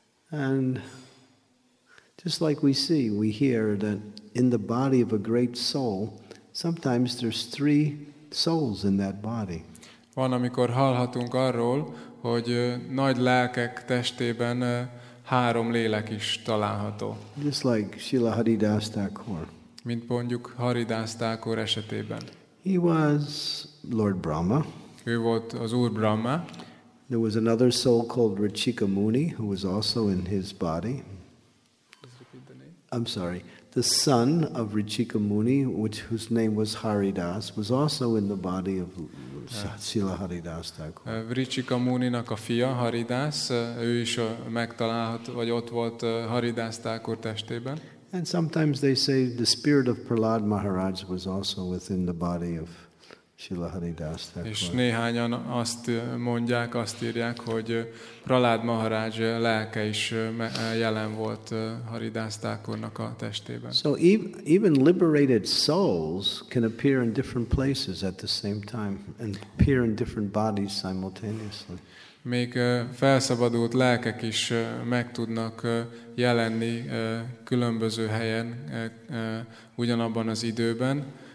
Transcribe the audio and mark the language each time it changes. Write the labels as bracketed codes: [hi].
[en] And just like we see, we hear that in the body of a great soul, sometimes there's three souls in that body. [hu] Van, amikor hallhatunk arról, hogy nagy lelkek testében három lélek is található. [en] Just like Srila Haridas Thakur. [hu] Mint mondjuk Haridas Thakur esetében. [en] He was Lord Brahma. [hu] Ő volt az Úr Brahma. [en] There was another soul called Rishika Muni, who was also in his body. I'm sorry. The son of Rishika Muni, whose name was Haridas, was also in the body of Srila Haridas Thakur. [hu] Rishika Muninak a fia, Haridas, ő is megtalálható, vagy ott volt Haridas Thakur testében. [en] And sometimes they say the spirit of Prahlad Maharaj was also within the body of Srila Haridas Thakur. [hu] És néhányan azt mondják, azt írják, hogy Prahlad Maharaj lelke is jelen volt Haridas Thakurnak a testében. [en] So even liberated souls can appear in different places at the same time and appear in different bodies simultaneously. [hu] Még felszabadult lelkek is meg tudnak jelenni különböző helyen ugyanabban az időben.